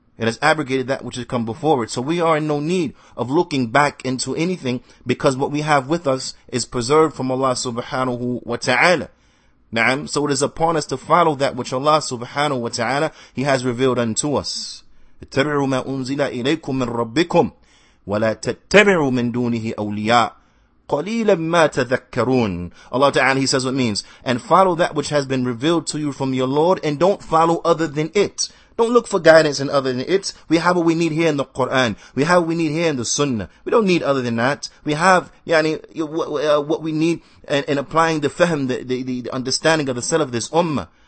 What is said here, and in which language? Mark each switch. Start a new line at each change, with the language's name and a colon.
English: It has abrogated that which has come before it. So we are in no need of looking back into anything, because what we have with us is preserved from Allah subhanahu wa ta'ala. Na'am. So it is upon us to follow that which Allah subhanahu wa ta'ala, He has revealed unto us.
Arabic: اتبعوا ما أنزل إليكم من ربكم ولا تتبعوا من دونه أولياء قليلا ما تذكرون.
English: Allah ta'ala, He says what means. And follow that which has been revealed to you from your Lord, and don't follow other than it. Don't look for guidance in other than it. We have what we need here in the Quran. We have what we need here in the Sunnah. We don't need other than that. We have what we need in applying the fahm, the understanding of the self of this ummah.